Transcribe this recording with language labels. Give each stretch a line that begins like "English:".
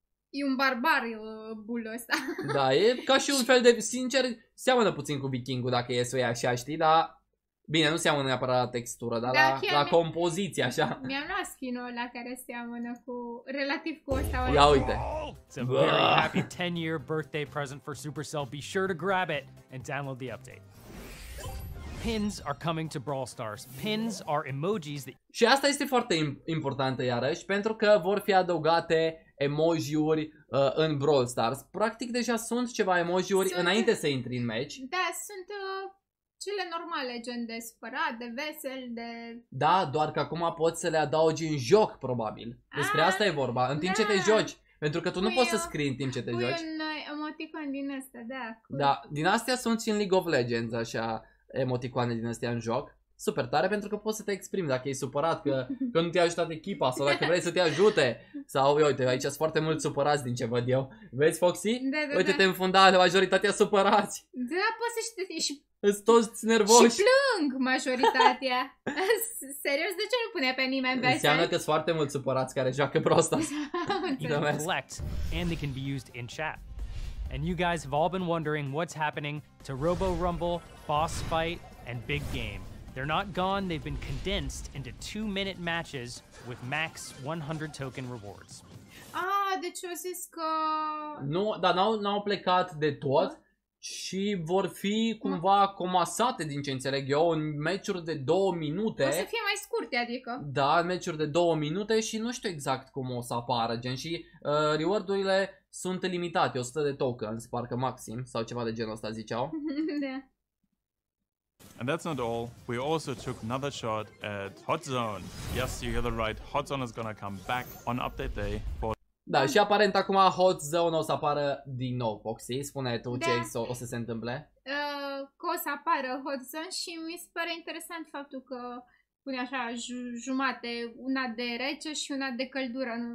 Romanian: E un barbar bull ăsta. Da, e ca și un fel de, sincer, seamănă puțin cu vikingul dacă e să o iei așa, știi, dar... Bine, nu seamănă neapărat la textură, dar la compoziție, așa. Mi-am luat skin-ul ăla care seamănă cu, relativ cu ăsta. Ia uite.
English: It's a very happy 10-year birthday present for Supercell. Be sure to grab it and download the update. Pins are coming to Brawl Stars. Pins are emojis that...
Romanian: Și asta este foarte importantă iarăși, pentru că vor fi adăugate emojiuri în Brawl Stars. Practic deja sunt ceva emojiuri înainte să intri în match. Da, sunt cele normale, gen de supărat, de vesel, de... Da, doar că acum poți să le adaugi în joc, probabil. Despre asta e vorba, în timp ce te joci. Pentru că tu nu poți să scrii în timp ce te joci. Un emoticon din asta, da. Da, din astea sunt și în League of Legends, așa... emoticoane din astea în joc. Super tare, pentru că poți să te exprimi dacă ești supărat că nu te-a ajutat echipa sau dacă vrei să te ajute. Sau, uite, aici sunt foarte mulți supărați din ce văd eu. Vezi, Foxy? Da. Uite-te în fundal, majoritatea supărați. Da, poți să știi și... Sunt toți nervoși. Și plâng majoritatea. Serios, de ce nu pune pe nimeni vesel? Înseamnă că sunt foarte mulți supărați care joacă prosta.
English: Collect and they can be used in chat. And you guys have all been wondering what's happening to Robo Rumble, Boss Fight, and Big Game. They're not gone, they've been condensed into 2-minute matches with max 100 token rewards.
Romanian: Deci eu zis că... Nu, dar n-au plecat de tot, Și vor fi cumva comasate, din ce înțeleg eu, în meciuri de 2 minute. O să fie mai scurte, adică. Da, meciuri de 2 minute și nu știu exact cum o să apară, gen. Și reward-urile sunt limitate, 100 de tokens, parcă maxim, sau ceva de genul ăsta, ziceau. Da.
English: And that's not all. We also took another shot at Hot Zone. Yes, you hear the right. Hot Zone is gonna come back on update day for...
Romanian: Da, și aparent acum Hot Zone o să apară din nou, Foxy. Spune tu ce o să se întâmple. Că o să apară Hot Zone și mi se pare interesant faptul că pune așa jumate, una de rece și una de căldură.